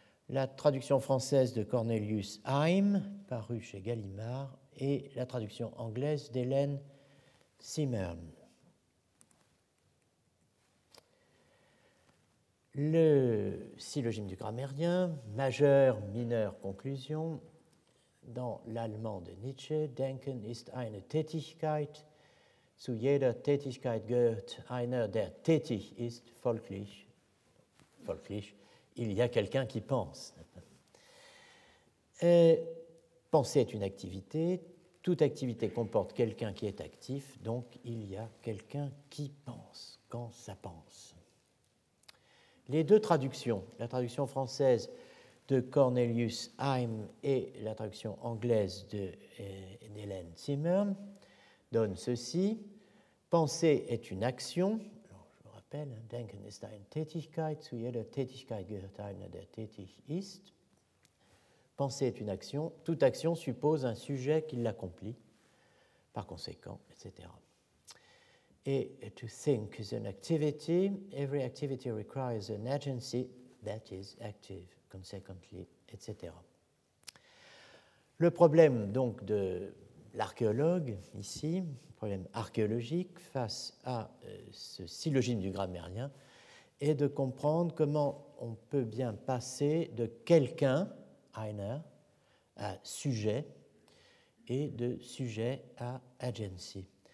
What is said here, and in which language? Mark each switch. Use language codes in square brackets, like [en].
[fr] La traduction française de Cornelius Heim, parue chez Gallimard, et la traduction anglaise d'Hélène Simmern. Le syllogisme du grammairien, majeur, mineur, conclusion. Dans l'allemand de Nietzsche, [de] Denken ist eine Tätigkeit. Zu jeder Tätigkeit gehört einer, der tätig ist, folglich, [fr] il y a quelqu'un qui pense. Et penser est une activité, toute activité comporte quelqu'un qui est actif, donc il y a quelqu'un qui pense, quand ça pense. Les deux traductions, la traduction française de Cornelius Heim et la traduction anglaise d'Hélène Zimmer, donnent ceci. Penser est une action. Alors, je vous rappelle, [de] Denken ist eine Tätigkeit, zu jeder Tätigkeit gehört einer, der tätig ist. [fr] Penser est une action. Toute action suppose un sujet qui l'accomplit, par conséquent, etc. [en] Et to think is an activity. Every activity requires an agency that is active, consequently, etc. [fr] Le problème, donc, de l'archéologue, ici, problème archéologique face à ce syllogisme du grammairien, est de comprendre comment on peut bien passer de quelqu'un, einer, à sujet, et de sujet à agency.